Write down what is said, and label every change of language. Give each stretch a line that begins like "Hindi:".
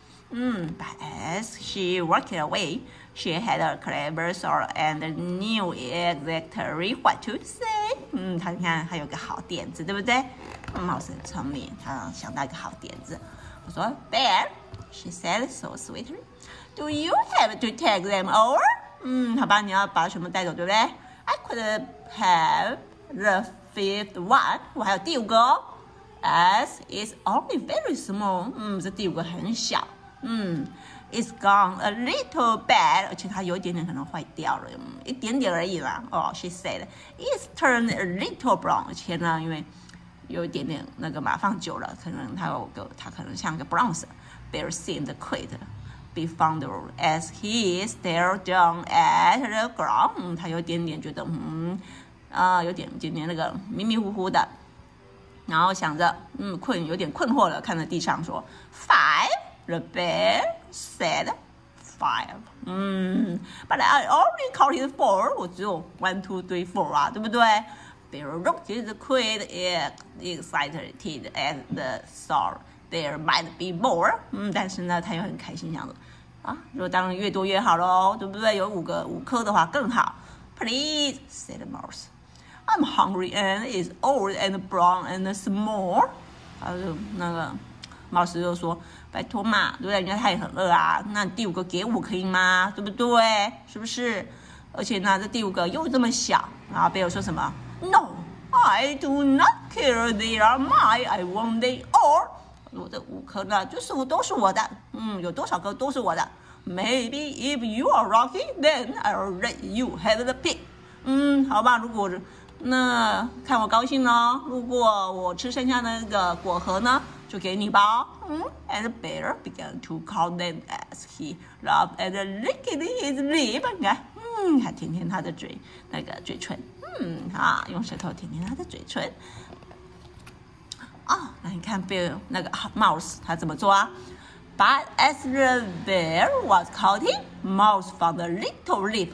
English: 嗯 ，But as she walked away, she had a clever thought and knew exactly what to say.
Chinese: 嗯，他你看，他有个好点子，对不对？ Mouse 很聪明，他想到一个好点子。我说 ，
English: Bear, she said so sweetly. Do you have to take them all?
Chinese: 嗯，好吧，你要把它全部带走，对不对 ？
English: I could have the fifth one.
Chinese: 我还有第五个、哦。
English: As it's only very small.
Chinese: 嗯，这第五个很小。
English: 嗯 ，it's gone a little bad.
Chinese: 而且它有一点点可能坏掉了，一点点而已啦。
English: 哦 ，she said, it's turned a little brown.
Chinese: 而且呢，因为有一点点那个嘛，放久了，可能它可能像个 bronze.
English: Bear seemed quite befuddled as he stared down at the ground.
Chinese: 嗯，他有点点觉得，有点今天那个迷迷糊糊的，然后想着，有点困惑了，看着地上说 ，Five.
English: The bear said, Five. 嗯 ，But I only counted four.
Chinese: 我只有
English: one, two, three, four
Chinese: 啊，对不对？
English: Bear looked quite excited at the thought there might be more.
Chinese: 但是呢，他又很开心，想着啊，如果当然越多越好喽，对不对？有五颗的话更好。
English: Please, said Mouse. I'm hungry and it's old and brown and small.
Chinese: 他就那个 Mouse 就说，拜托嘛，对不对？人家他也很饿啊，那第五个给我可以吗？对不对？是不是？而且呢，这第五个又这么小，然后 Bear 说什么？
English: No, I do not care. They are mine. I want them all.
Chinese: 我这五颗呢，就是我都是我的。有多少颗都是我的。
English: Maybe if you are lucky, then I'll let you have the pig.
Chinese: 好吧，如果那看我高兴呢，如果我吃剩下那个果核呢，就给你吧。
English: And the bear began to call them as he loved and licked his lip.
Chinese: 还舔舔他的嘴，那个嘴唇。用舌头舔舔他的嘴唇。那你看 Bear 那个 Mouse 他怎么做啊
English: ？But as the bear was counting, Mouse found a little leaf.